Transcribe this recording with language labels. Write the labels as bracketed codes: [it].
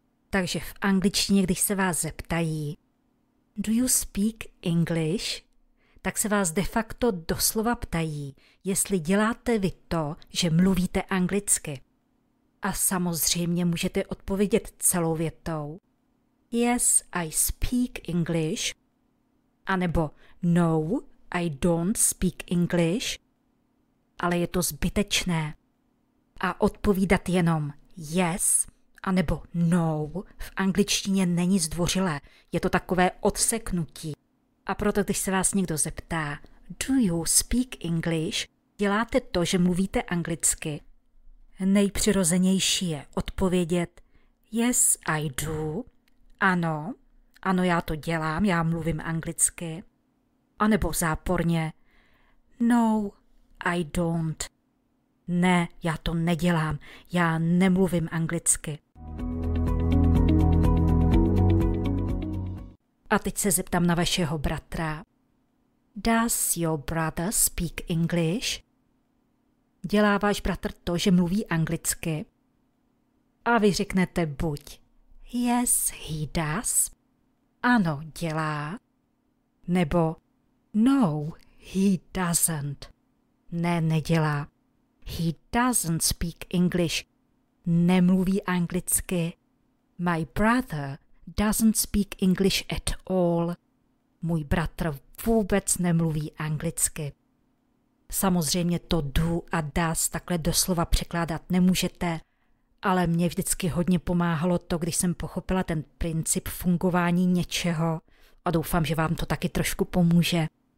[cs] Takže v angličtině, když se vás zeptají [en] do you speak English? [cs] Tak se vás de facto doslova ptají, jestli děláte vy to, že mluvíte anglicky. A samozřejmě můžete odpovědět celou větou. [en] Yes, I speak English. [cs] A nebo [en] no, I don't speak English. [cs] Ale je to zbytečné. A odpovídat jenom yes, anebo no, v angličtině není zdvořilé. Je to takové odseknutí. A proto, když se vás někdo zeptá, [en] do you speak English? [cs] Děláte to, že mluvíte anglicky? Nejpřirozenější je odpovědět [en] yes, I do. [cs] Ano, ano, já to dělám, já mluvím anglicky. A nebo záporně, [en] no, I don't. [cs] Ne, já to nedělám, já nemluvím anglicky. A teď se zeptám na vašeho bratra. [en] Does your brother speak English? [cs] Dělá váš bratr to, že mluví anglicky? A vy řeknete buď. [en] Yes, he does. [cs] Ano, dělá. Nebo [en] no, he doesn't. [cs] Ne, nedělá. [en] He doesn't speak English. [cs] Nemluví anglicky. [en] My brother doesn't speak English at all. [cs] Můj bratr vůbec nemluví anglicky. Samozřejmě to do a does takhle doslova překládat nemůžete, ale mě vždycky hodně pomáhalo to, když jsem pochopila ten princip fungování něčeho a doufám, že vám to taky trošku pomůže.